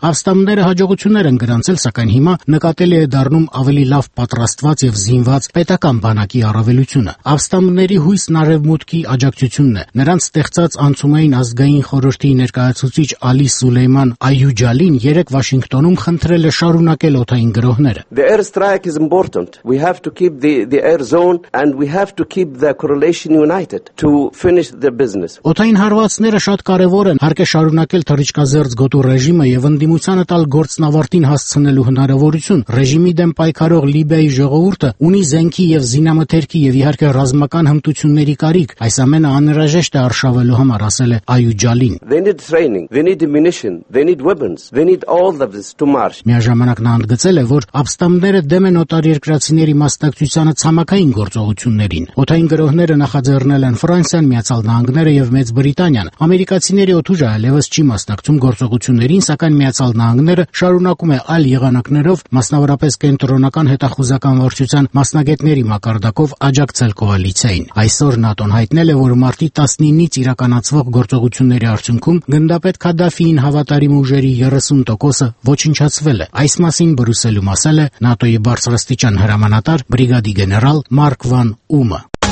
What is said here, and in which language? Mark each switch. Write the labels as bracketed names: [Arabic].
[Armenian] ապստամբները հաջողություններ են գրանցել, սակայն հիմա նկատելի է դառնում ավելի լավ պատրաստված և զինված պետական բանակի առավելությունը։ Ապստամբների հույսն արևմուտքի աջակցությունն է։ Նրանց ստեղծած անցումային ազգային խորհրդի ներկայացուցիչ Ալի Սուլեյման Այյուջալին երեկ Վաշինգտոնում խնդրել է շարունակել օթային գրոհները։ [English] The air strike is important. We have to keep the air zone and we have to keep the coalition united to finish the business. [Armenian] Օթային հարվածները շատ կարևոր են, հարկ է շարունակել թռիչկազերծ գոտու ռեժիմը և ընդդիմությանը տալ գործնավարտին հասցնելու հնարավորություն։ Ռեժիմի դեմ պայքարող Լիբիայի ժողովուրդը ունի զենքի և զինամթերքի և իհարկե ռազմական հմտությունների կարիք, այս ամենը անհրաժեշտ է արշավելու համար, ասել է Այյուջալին։ [English] They need training, they need ammunition, they need weapons, they need all of this to march. [Armenian] Միաժամանակ նա ընդգծել է, որ ապստամբները դեմ են օտարերկրացիների մասնակցությանը ցամաքային գործողություններին։ Օթային գրոհները նախաձեռնել են Ֆրանսիան, Միացյալ Նահանգները և Մեծ Բրիտանիան։ Ամերիկացիների օդուժը այլևս չի մասնակցում գործողություններին, սակայն Միացյալ Նահանգները շարունակում է այլ եղանակներով, մասնավորապես կենտրոնական հետախուզական վարչության մասնագետների մակարդակով, աջակցել կոալիցիային։ Այսօր ՆԱՏՕ-ն հայտնել է, որ մարտի 19-ից իրականացվող գործողությունների արդյունքում գնդապետ Քադաֆիին հավատարիմ ուժերի 30%-ը ոչնչացվել է։ Այս մասին Բրյուսելում ասել է ՆԱՏՕ-ի բարձրաստիճան հրամանատար բրիգադի գեներալ Մարկ վան Ումը։